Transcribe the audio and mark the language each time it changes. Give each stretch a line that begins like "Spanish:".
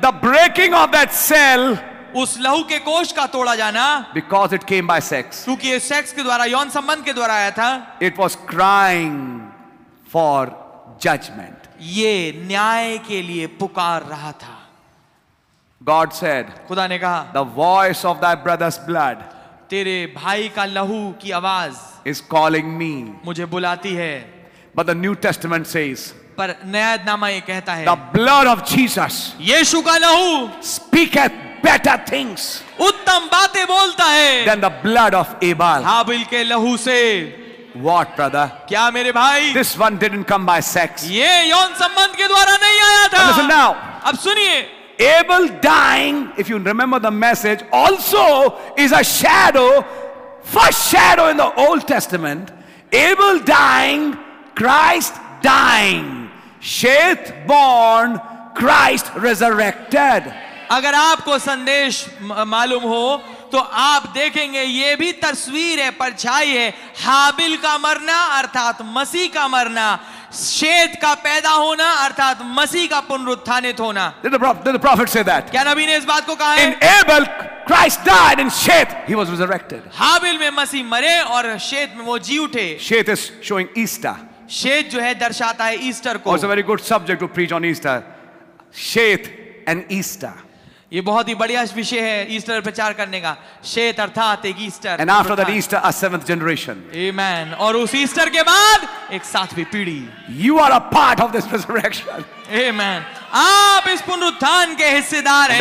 English: The breaking of that cell.
Hindi: उस लहू के कोष का तोड़ा जाना
English: because it came by sex
Hindi: क्योंकि ये सेक्स के द्वारा यौन संबंध के द्वारा आया था
English: it was crying for judgement
Hindi: ये न्याय के लिए पुकार रहा था
English: God said,
Hindi: खुदा ने कहा,
English: the voice of thy brother's blood,
Hindi: तेरे भाई का लहू की आवाज,
English: is calling me,
Hindi: मुझे बुलाती है,
English: but the New Testament says,
Hindi: पर नयनामा ये कहता है,
English: the blood of Jesus,
Hindi: यीशु का लहू,
English: speaketh better things,
Hindi: उत्तम बातें बोलता है,
English: than the blood of Abel,
Hindi: हाबिल के लहू से,
English: what brother,
Hindi: क्या मेरे भाई,
English: this one didn't come by sex,
Hindi: ये यौन संबंध के द्वारा नहीं आया था,
English: listen now,
Hindi: अब सुनिए.
English: Abel dying, if you remember the message, also is a shadow, foreshadow in the Old Testament. Abel dying, Christ dying. Sheth born, Christ resurrected.
Hindi: अगर आपको संदेश मालूम हो तो आप देखेंगे ये भी तस्वीर है परछाई है हाबिल का मरना अर्थात मसीह का मरना शेत का पैदा होना अर्थात मसीह का पुनरुत्थानित होना
English: Did the prophet say that?
Hindi: क्या नबी ने इस बात को कहा है?
English: In Abel, Christ died, in Sheth, he was resurrected.
Hindi: हाबिल में मसीह मरे और शेत में वो जी उठे
English: Sheth is showing Easter.
Hindi: शेत जो है दर्शाता है ईस्टर को
English: It's a very good subject to preach on Easter. Sheth and Easter.
Hindi: ये बहुत ही बढ़िया विषय है ईस्टर प्रचार करने का शेत अर्थात एक Easter
English: and after that Easter a seventh generation
Hindi: आमेन और उस ईस्टर के बाद एक सातवीं पीढ़ी
English: you are a part of this resurrection
Hindi: आमेन आप इस पुनरुत्थान के हिस्सेदार हैं